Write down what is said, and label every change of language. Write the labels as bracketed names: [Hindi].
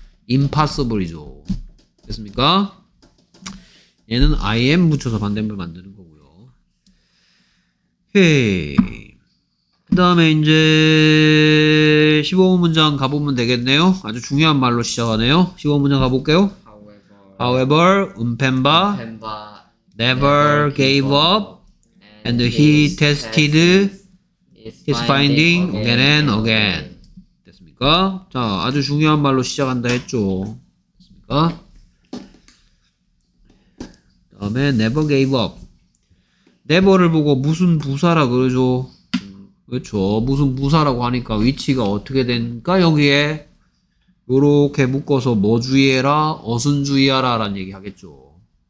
[Korean] impossible이죠. 됐습니까? 얘는 I am 붙여서 반대말 만드는 거고요. 헤이 그 다음에 이제 15번 문장 가보면 되겠네요. 아주 중요한 말로 시작하네요. 15번 문장 가볼게요. [English] However, Mpemba never gave up and he tested his finding again and again. [Korean] 됐습니까? 자, 아주 중요한 말로 시작한다 했죠. 됐습니까? 그 다음에 [English] never gave up. [Korean] never를 보고 무슨 부사라 그러죠? 그렇죠. 무슨 부사라고 하니까 위치가 어떻게 되니까 여기에 요렇게 묶어서 뭐 주의해라, 어순 주의하라 라는 얘기 하겠죠.